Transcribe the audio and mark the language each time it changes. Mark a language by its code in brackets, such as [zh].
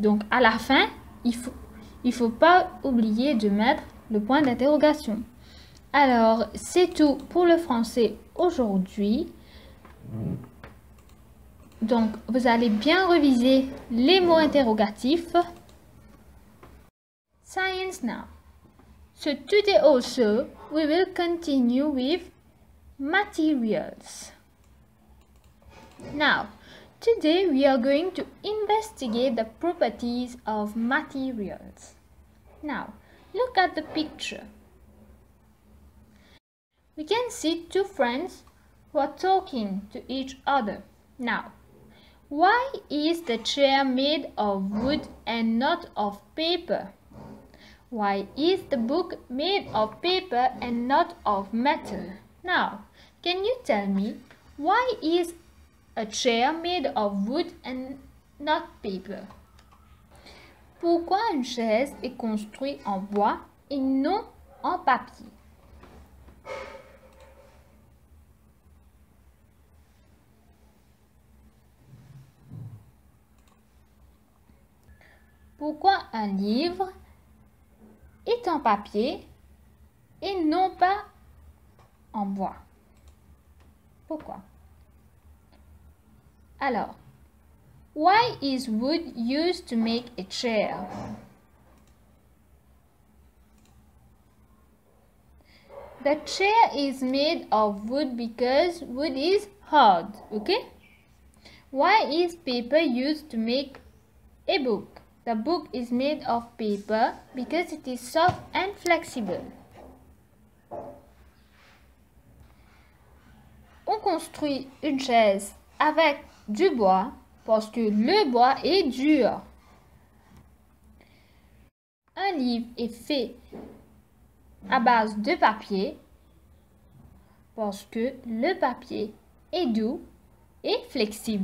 [fr] Donc, à la fin, il faut pas oublier de mettre le point d'interrogation. Alors, c'est tout pour le français aujourd'hui. Donc, vous allez bien réviser les mots interrogatifs. [en] Science now. So today also, we will continue with materials. Now, today we are going to investigate the properties of materials. Now, look at the picture. We can see two friends who are talking to each other. Now, why is the chair made of wood and not of paper? Why is the book made of paper and not of metal? Now, can you tell me why is a chair made of wood and not paper? [fr] Pourquoi une chaise est construite en bois et non en papier? Pourquoi un livre est en papier et non pas en bois? Pourquoi? Alors, [en] why is wood used to make a chair? The chair is made of wood because wood is hard, okay? Why is paper used to make a book? The book is made of paper because it is soft and flexible. [fr] On construit une chaise avec du bois parce que le bois est dur. Un livre est fait à base de papier parce que le papier est doux et flexible.